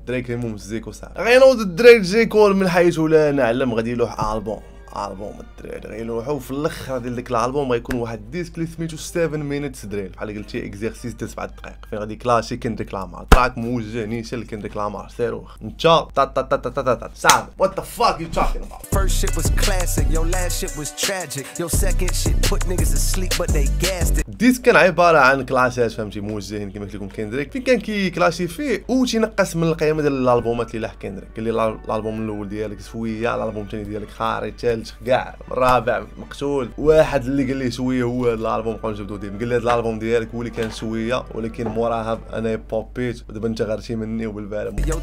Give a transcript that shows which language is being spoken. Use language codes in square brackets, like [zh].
[ar] دريك المهم زيكو صافي غينوض دريك جيكول من حيث لا نعلم غادي يلوح البوم البوم الدراري غيلوحو في الاخر ديال داك الالبوم غيكون واحد الديسك اللي سميتو 7 مينيتس دريل بحال قلتي اكزيرسيس ديال 7 دقائق فين غادي كلاشي كندريك لامار تراك موجه نيشان لكندريك لامار سيرو انت تا تا تا تا تا تا تا [en] Some what the fuck you talking about. First shit was classic, your last shit was tragic, your second shit put niggas to sleep but they gassed it. [ar] الديسك كان عباره عن كلاشات فهمتي موجهين كما قلت لكم كندريك فين كان كي كلاشي فيه وتينقص من القيمه ديال الالبومات اللي لاح كندريك قال لي الالبوم الاول ديالك شويه الالبوم الثاني ديالك خارج ثالث كاع رابع مقتول واحد اللي قال لي شويه هو هذا الالبوم بقاو نجبدو ديما قال لي هذا الالبوم ديالك هو اللي كان شويه ولكن موراها انا بوبيت ودابا انت غارتي مني وبالبالم.